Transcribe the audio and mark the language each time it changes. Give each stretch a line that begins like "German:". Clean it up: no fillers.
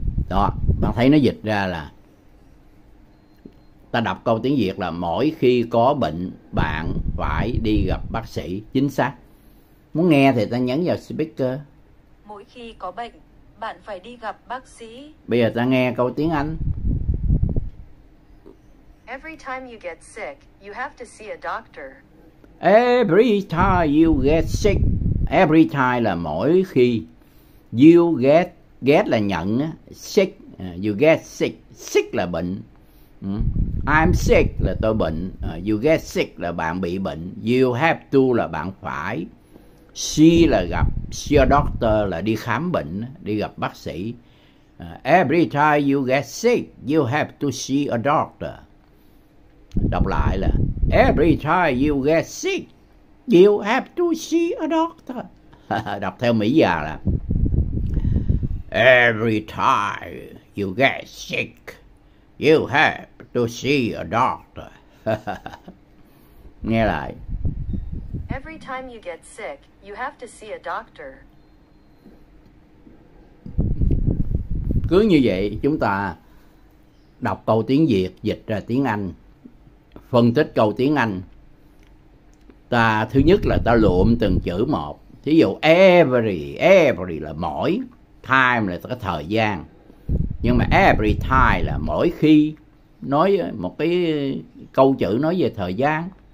Vietnamese: Đó, bạn thấy nó dịch ra là ta đọc câu tiếng Việt là mỗi khi có bệnh, bạn phải đi gặp bác sĩ. Chính xác. Muốn nghe thì ta nhấn vào speaker. Mỗi khi có bệnh, bạn phải đi gặp bác sĩ. Bây giờ ta nghe câu tiếng Anh.
English: Every time you get sick, you have to see a doctor. Every time you get sick. Every time
Vietnamese: là mỗi khi.
English: You get. Get
Vietnamese: là nhận.
English: Sick. You get sick. Sick
Vietnamese: là bệnh.
English: I'm sick
Vietnamese: là tôi bệnh.
English: You get sick
Vietnamese: là bạn bị bệnh.
English: You have to
Vietnamese: là bạn phải. See là gặp.
English: See a doctor
Vietnamese: là đi khám bệnh. Đi gặp bác sĩ.
English: Every time you get sick, you have to see a doctor.
Vietnamese: Đọc lại là
English: every time you get sick, you have to see a doctor.
Vietnamese: Đọc theo Mỹ già là
English: every time you get sick, you have to see a doctor.
Vietnamese: Nghe lại.
English: Every time you get sick, you have to see a doctor.
Vietnamese: Cứ như vậy chúng ta đọc câu tiếng Việt, dịch ra tiếng Anh. Phân tích câu tiếng Anh, ta thứ nhất là ta lượm từng chữ một. Thí dụ every, every là mỗi, time là cái thời gian, nhưng mà
English: every time
Vietnamese: là mỗi khi, nói một cái câu chữ nói về thời gian.